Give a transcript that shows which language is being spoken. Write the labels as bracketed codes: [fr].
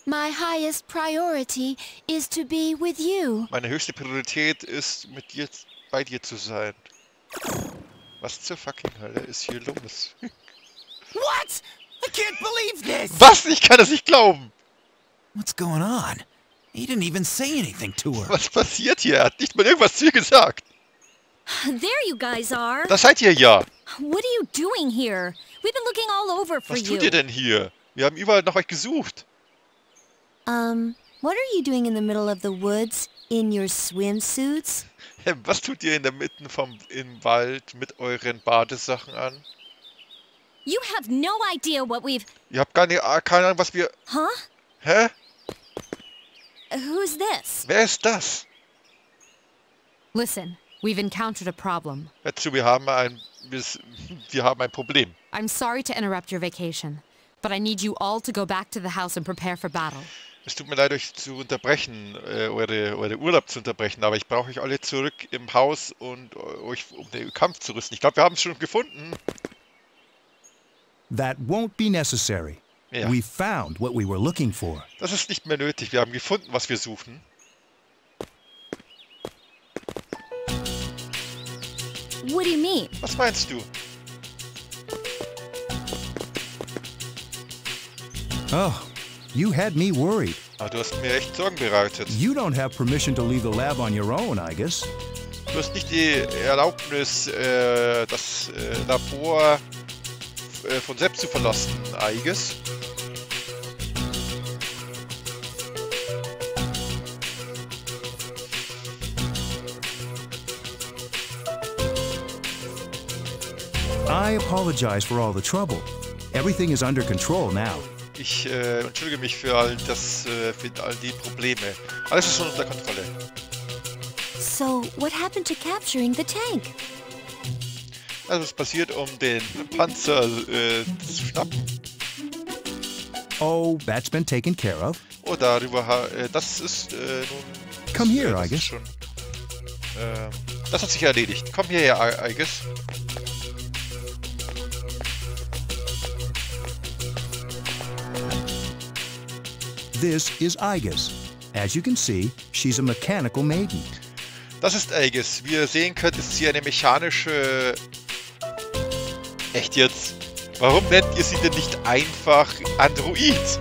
[en] My highest priority is to be with you. [de] Meine höchste Priorität ist, mit dir bei dir zu sein. Was zur fucking Hölle ist hier los? [en] What? I can't believe this! [de] Was? Ich kann das nicht glauben! [en] What's going on? He didn't even say anything to her. [de] Was passiert hier? Er hat nicht mal irgendwas zu ihr gesagt. [en] There you guys are. [de] Da seid ihr ja. [en] What are you doing here? We've been looking all over for [de] you. Was tut ihr denn hier? Wir haben überall nach euch gesucht. [en] What are you doing in the middle of the woods in your swimsuits? [de] Was tut ihr in der Mitte vom im Wald mit euren Badesachen an? [en] You have no idea what we've. [de] Ihr habt gar keine Ahnung, was wir. Huh? Hä? [en] Who's this? [de] Wer ist das? [en] Listen, we've encountered a problem. [de] Hör zu, wir haben ein Problem. [en] I'm sorry to interrupt your vacation, but I need you all to go back to the house and prepare for battle. [de] Es tut mir leid, euch zu unterbrechen, eure Urlaub zu unterbrechen, aber ich brauche euch alle zurück im Haus und euch um den Kampf zu rüsten. Ich glaube, wir haben es schon gefunden. [en] That won't be necessary. [de] Ja. [en] We found what we were looking for. [de] Das ist nicht mehr nötig. Wir haben gefunden, was wir suchen. [en] What do you mean? [de] Was meinst du? [en] Oh, you had me worried. [de] Ah, du hast mir echt Sorgen bereitet. [en] You don't have permission to leave the lab on your own, I guess. [de] Du hast nicht die Erlaubnis, das Labor von selbst zu verlassen, [en] I guess. I apologize for all the trouble. Everything is under control now. [de] Ich entschuldige mich für all das, für all die Probleme. Alles ist unter Kontrolle. [en] So, what happened to capturing the tank? [de] Also, was passiert, um den Panzer zu schnappen? [en] Oh, that's been taken care of. [de] Oh, darüber das ist nun. [en] Come here, Aegis. [de] Das hat sich erledigt. Komm hierher, Aegis. [en] This is Aegis. As you can see, she's a mechanical maiden. [de] Das ist Aegis. Wie ihr sehen könnt, ist sie eine mechanische. Echt jetzt? Warum nennt ihr sie denn nicht einfach Android?